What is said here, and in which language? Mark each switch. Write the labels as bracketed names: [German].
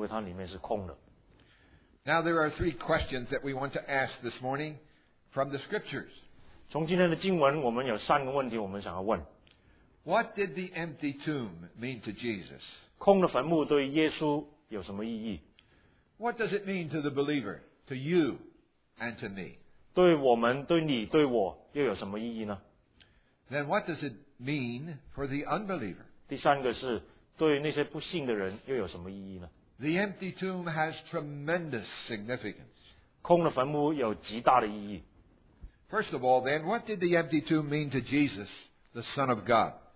[Chinese] 可是耶稣基督的坟墓之所以有名，是因为它里面是空的。 [English] Now there are three questions that we want to ask this morning from the scriptures. [Chinese] 从今天的经文，我们有三个问题我们想要问。 [English] What did the empty tomb mean to Jesus? [Chinese] 空的坟墓对耶稣有什么意义？ [English] What does it mean to the believer, to you and to me? [Chinese] 对我们，对你，对我，又有什么意义呢？ [English] Then what does it mean for the unbeliever? [Chinese] 第三个是对那些不信的人又有什么意义呢？ [English] The empty tomb has tremendous significance. [Chinese] 空的坟墓有极大的意义。 [English] First of all, then, what did the empty tomb mean to Jesus, the Son of God?